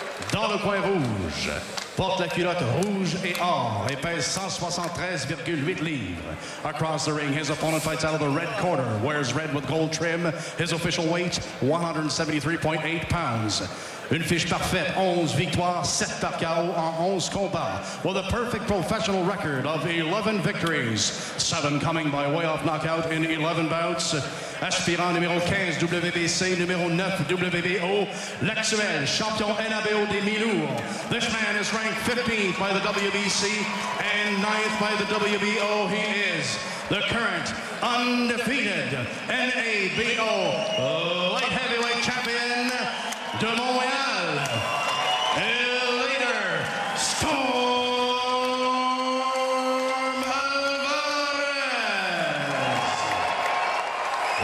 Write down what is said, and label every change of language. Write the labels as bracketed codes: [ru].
[fr] Dans le coin rouge, porte la culotte rouge et or et pèse 173,8 livres. [en] Across the ring, his opponent fights out of the red corner, wears red with gold trim. His official weight, 173.8 pounds. [fr] Une fiche parfaite, 11 victoires, 7 par KO en 11 combats. [en] With a perfect professional record of 11 victories, 7 coming by way of knockout in 11 bouts. [fr] Aspirant numéro 15, WBC, numéro 9, WBO, l'actuel champion NABO des Milours. [en] This man is ranked 15th by the WBC and 9th by the WBO. He is the current undefeated NABO light heavyweight champion, [fr] de Montréal, [en] Eleider Alvarez.